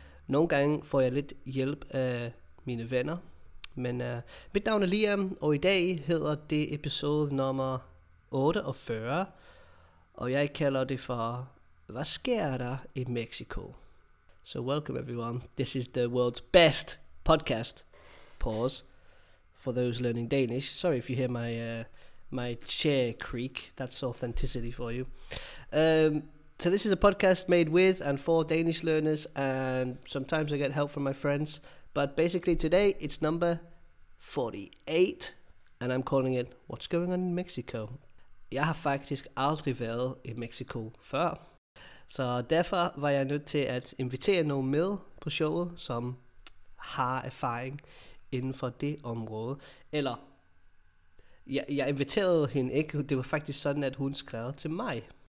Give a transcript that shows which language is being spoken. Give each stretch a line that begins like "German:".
Danish: Nogle gange får jeg lidt hjælp af mine venner. Men mit navn er Liam, og i dag hedder det episode nummer 48. Og jeg kalder det for, hvad sker der i Mexico?
English: So welcome everyone. This is the world's best podcast. Pause for those learning Danish. Sorry if you hear my my chair creak. That's authenticity for you. So this is a podcast made with and for Danish learners, and sometimes I get help from my friends. But basically today it's number 48, and I'm calling it "What's Going On in Mexico."
Danish: Jeg har faktisk aldrig været i Mexico før. Så derfor var jeg nødt til at invitere nogle med på showet, som har erfaring inden for det område. Eller, jeg inviterede hende ikke, det var faktisk sådan, at hun skrev til mig.